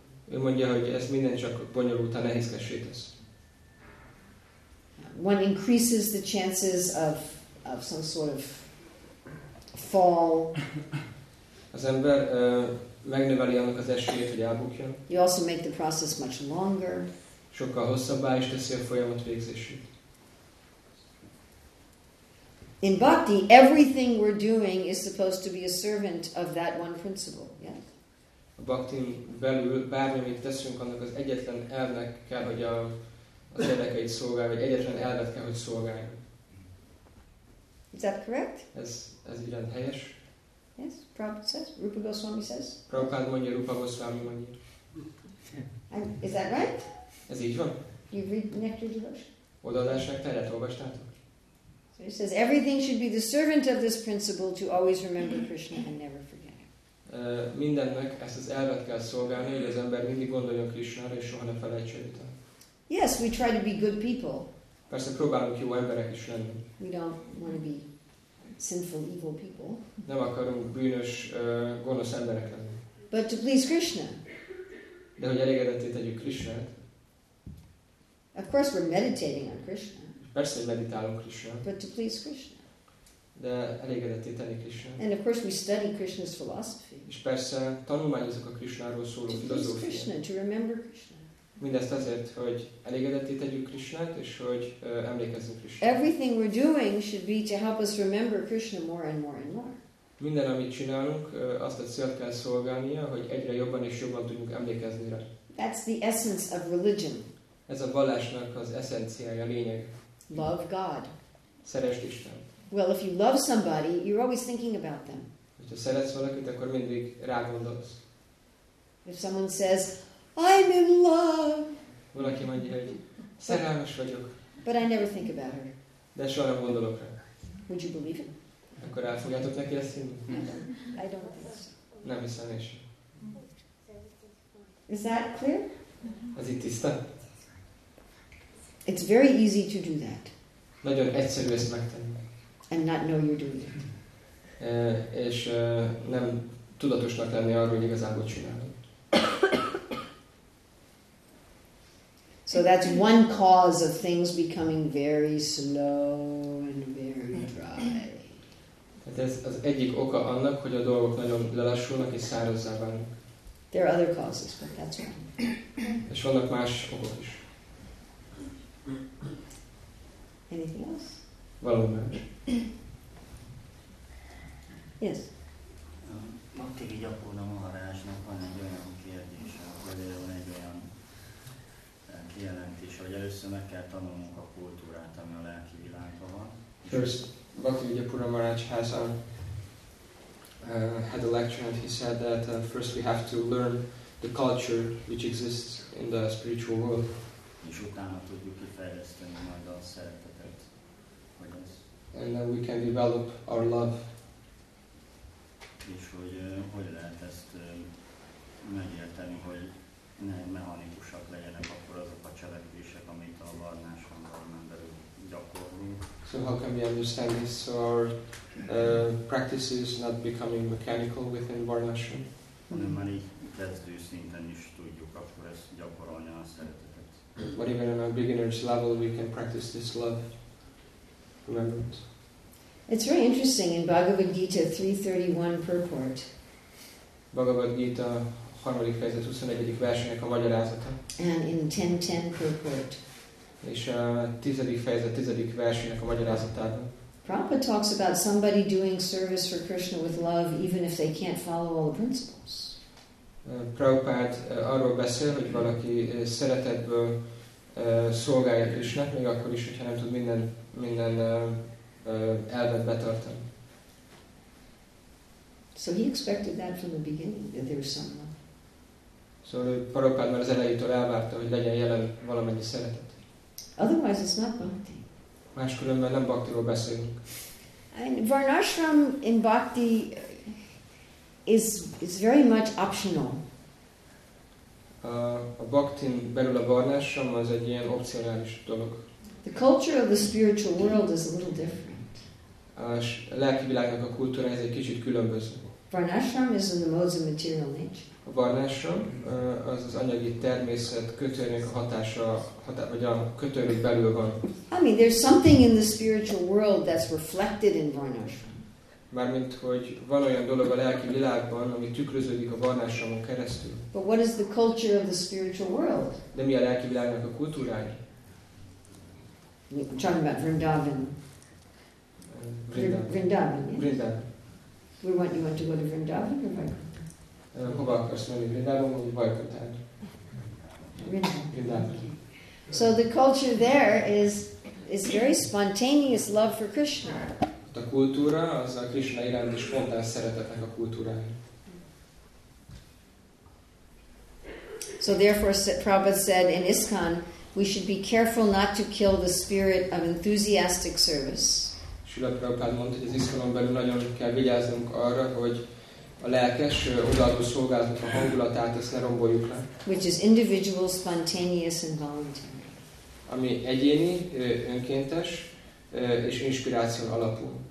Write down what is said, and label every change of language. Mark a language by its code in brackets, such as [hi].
[hu] Ő mondja, hogy ez minden csak bonyolulta, nehézkessé tesz. [en] One increases the chances of some sort of fall. [hu] Az ember megnöveli annak az esélyét, hogy elbukjon. [en] You also make the process much longer. [hu] Sokkal hosszabbá is teszi a folyamat végzését. [en] In bhakti, everything we're doing is supposed to be a servant of that one principle. Yes. [hu] A bhaktin belül bármi, amit teszünk, annak az egyetlen elvnek kell, hogy az érdekeit szolgálja, vagy egyetlen elvet kell, hogy szolgálja. [en] Is that correct? [hu] Ez igen helyes. [en] Yes, Prabhupada says, Rupa Goswami says. [hu] Prabhupada mondja, Rupa Goswami mondja. [en] Is that right? [hu] Ez így van. [en] You read Nectar Devotion? [hu] Odaadásság terjedt, olvastátok? [en] He says everything should be the servant of this principle to always remember Krishna and never forget him. [hu] Mindennek ezt az elvet kell szolgálni, hogy az ember mindig gondoljon Krishnára és soha ne felejtse őt. [en] Yes, we try to be good people. [hu] Persze próbálunk jó emberek is lenni. [en] We don't want to be sinful, evil people. [hu] Nem akarunk bűnös, gonosz emberek lenni. [en] But to please Krishna. [hu] De hogy elégedetté tegyük Krishnát. [en] Of course, we're meditating on Krishna. [hu] Persze, hogy meditálunk Krishna. [en] But to please Krishna. [hu] De elégedetté tenni Krishna. [en] And of course we study Krishna's philosophy. [hu] És persze tanulmányozunk a Krishnáról szóló filozófiát. [en] To please Krishna, to remember Krishna. [hu] Mindezt azért, hogy elégedetté tegyük Krishnát, és hogy emlékezzünk Krishnára. [en] Everything we're doing should be to help us remember Krishna more and more and more. [hu] Minden, amit csinálunk, azt a célt kell szolgálnia, hogy egyre jobban és jobban tudjunk emlékezni rá. [en] That's the essence of religion. [hu] Ez a vallásnak az eszenciája, lényeg. [en] Love God. [hu] Szeresd Istent. [en] Well, if you love somebody, you're always thinking about them. [hu] Hogyha szeretsz valakit, akkor mindig rá gondolsz. [en] If someone says, I'm in love. [hu] Valaki mondja, hogy szerelmes vagyok. [en] But I never think about her. [hu] De soha nem gondolok rá. [en] Would you believe it? [hu] Akkor el fogjátok neki ezt hinni? [en] I don't think so. [hu] Nem hiszem is. [en] Is that clear? [hu] Ez itt tiszta? [en] It's very easy to do that. [hu] Nagyon egyszerű ezt megtenni. [en] And not know you're doing it. [hu] És nem tudatosnak lenni arról, hogy igazából csinálod. [en] So that's one cause of things becoming very slow and very dry. [hu] Tehát ez az egyik oka annak, hogy a dolgok nagyon lelassulnak és szárazzá válnak. [en] There are other causes, but that's one. [hu] És vannak más okok is. [en] Anything else? [hu] Valami más. [en] Yes. [hu] Maktivi Gyakorna Maharajnak van egy olyan kérdése, hogy van egy olyan kijelentés, hogy először meg kell tanulnunk a kultúrát, ami a lelki világban van. [en] First, Maktivi Gyakorna Maharaj had a lecture and he said that first we have to learn the culture which exists in the spiritual world. [hu] És utána tudjuk kifejleszteni majd a szeretetet, hogy ez. [en] And then we can develop our love. [hu] És hogy hogy lehet ezt megérteni, hogy ne mechanikusak legyenek akkor azok a cselekvések, amit a varnásrendben belül gyakorlunk. [en] So how can we understand this? So our practices not becoming mechanical within varnásrend? [hu] Hanem már így kezdő szinten is tudjuk akkor ezt gyakorolni a szeretetet. [en] But even on a beginner's level, we can practice this love, remembrance. It's very interesting in Bhagavad Gita 3.31 purport. [hu] Bhagavad Gita 3. fejezet 21. versének a magyarázata. [en] And in 10.10 purport. [hu] És a 10. fejezet 10. versének a magyarázatában. [en] Prabhupada talks about somebody doing service for Krishna with love, even if they can't follow all the principles. [hu] Prabhupád arról beszél, hogy valaki szeretetből szolgálja Krisnát, még akkor is, hogyha nem tud minden elvet betartani. [en] So he expected that from the beginning, that there was some love. [hu] So Prabhupád már az elejétől elvárta, hogy legyen jelen valamennyi szeretet. [en] Otherwise it's not bhakti. [hu] Máskülönben nem bhaktiról beszélünk. [en] And varnashram in bhakti is very much optional. [hu] A bhaktin belül a varnásom az egy ilyen opcionális dolog. [en] The culture of the spiritual world is a little different. [hu] A lelki világnak a kultúra ez egy kicsit különböző. [en] Varnashram is in the modes of material nature. [hu] A varnashram az az anyagi természet kötőnek a hatása, vagy a kötőnek belül van. [en] I mean, there's something in the spiritual world that's reflected in varnashram. [hu] Mármint, hogy van olyan dolog a lelki világban, ami tükröződik a varnásamon keresztül. [en] But what is the culture of the spiritual world? [hu] De mi a lelki világnak a kultúrája? [en] We're talking about Vrindavan. [hu] Vrindavan. [en] Vrindavan. Yeah. You want to go to Vrindavan or Vaikuntha? [hu] Hova akarsz menni? Vrindavan vagy Vaikuntha? Vrindavan. [en] So the culture there is very spontaneous love for Krishna. [hu] A kultúra, az a Krishna iránti spontán szeretetnek a kultúrája. [en] So therefore Prabhupada said in ISKCON, we should be careful not to kill the spirit of enthusiastic service. [hu] Srila Prabhupada mondta, hogy az ISKCON-on belül nagyon kell vigyáznunk arra, hogy a lelkes, odaadó szolgálatnak a hangulatát, ezt ne romboljuk le. [en] Which is individual, spontaneous and voluntary. [hu] Ami egyéni, önkéntes, és inspiráció alapú.